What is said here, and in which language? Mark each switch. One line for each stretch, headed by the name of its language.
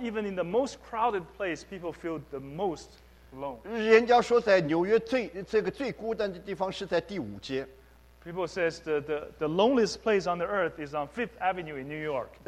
English: even in the most crowded place, people feel the most.
Chinese: 人家说在纽约最孤单的地方是在第五街。
English: People say the loneliest place on the earth is on Fifth Avenue in New York.